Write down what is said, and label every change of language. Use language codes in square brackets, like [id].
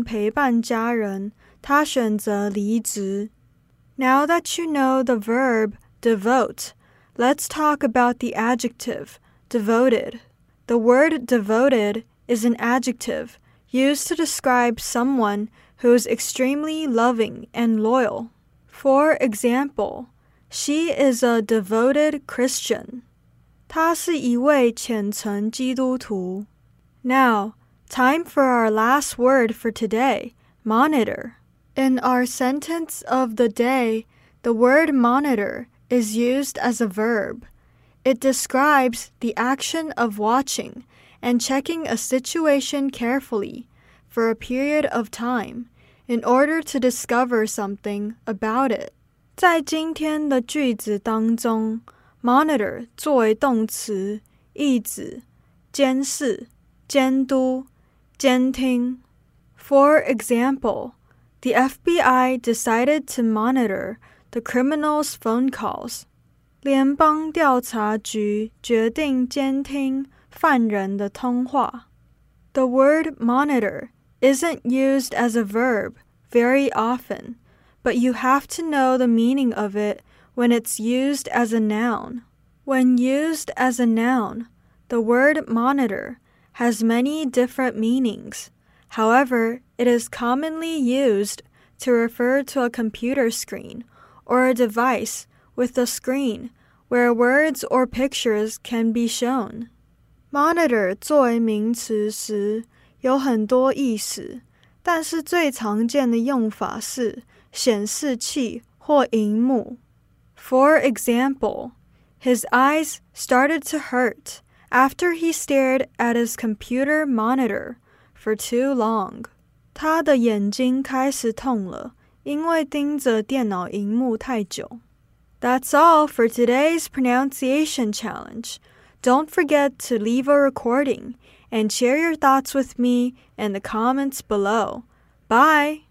[zh] 为了能有更多时间陪伴家人,他选择离职. [en] Now that you know the verb devote, let's talk about the adjective devoted. The word devoted is an adjective used to describe someone who is extremely loving and loyal. For example, she is a devoted Christian. [zh] 她是一位虔诚基督徒. [en] Now, time for our last word for today, monitor. In our sentence of the day, the word monitor is used as a verb. It describes the action of watching and checking a situation carefully for a period of time in order to discover something about it. [zh] 在今天的句子当中, monitor作为动词,意指,监视,监督, 监听. [en] For example, the FBI decided to monitor the criminals' phone calls. [zh] 联邦调查局决定监听犯人的通话. [en] The word monitor isn't used as a verb very often, but you have to know the meaning of it when it's used as a noun. When used as a noun, the word monitor has many different meanings. However, it is commonly used to refer to a computer screen or a device with a screen where words or pictures can be shown. [zh] Monitor 作为名词时, 有很多意思, 但是最常见的用法是 显示器或荧幕。 [en] For example, his eyes started to hurt after he stared at his computer monitor for too long. [zh] 他的眼睛开始痛了,因为盯着电脑荧幕太久。 [en] That's all for today's pronunciation challenge. Don't forget to leave a recording and share your thoughts with me in the comments below. Bye!